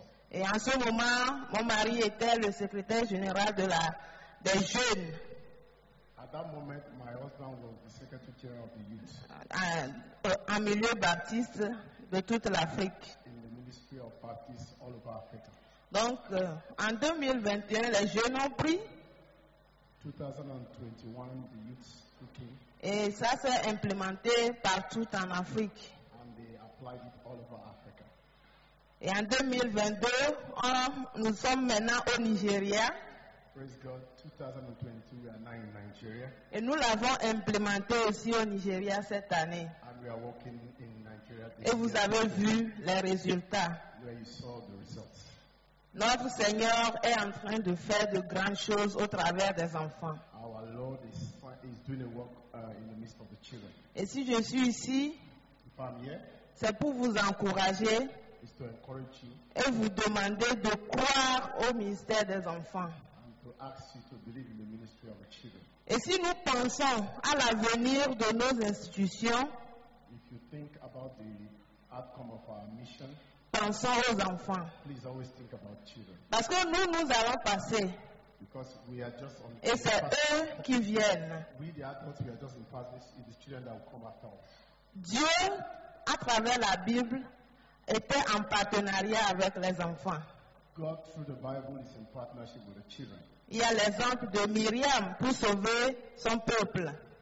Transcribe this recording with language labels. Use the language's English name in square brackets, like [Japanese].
[French] Et en ce moment, mon mari était le secrétaire général de la des jeunes. [English] At that moment, my husband was the secretary general of the youth. [French] En milieu baptiste de toute l'Afrique. [English] In the ministry of Baptists all over Africa. [French] Donc, en 2021, les jeunes ont pris. [English] 2021, the youth took it. [French] Et ça s'est implémenté partout en Afrique. [English] And they applied it all over Africa. [French] Et en 2022, nous sommes maintenant au Nigeria. [English] Praise God, 2022, we are now in Nigeria. [French] Et nous l'avons implémenté aussi au Nigeria cette année. [English] And we are working in Nigeria this [French] Et vous [English] year. [French] Avez vu les résultats. [English] Where you saw the results. [French] Notre Seigneur est en train de faire de grandes choses au travers des enfants. [English] Our Lord is doing a work in the midst of the children. [French] Et si je suis ici, [English] if I'm here, [French] c'est pour vous encourager. [English] Is to encourage you, [French] et vous demander de croire au ministère des enfants. [English] And to ask you to believe in the ministry of the children. [French] Et si nous pensons à l'avenir de nos institutions, [English] if you think about the outcome of our mission, [French] pensons aux enfants. [English] Please always think about children. [French] Parce que nous allons passer. [English] Because we are just on [French] et c'est eux qui viennent. [English] We, the adults, we are just in passing. It's the children that will come after us. [French] Dieu, à travers la Bible, était en partenariat avec les enfants. [English] God, through the Bible, is in partnership with the children. [French] Il y a l'exemple de Myriam pour sauver son peuple.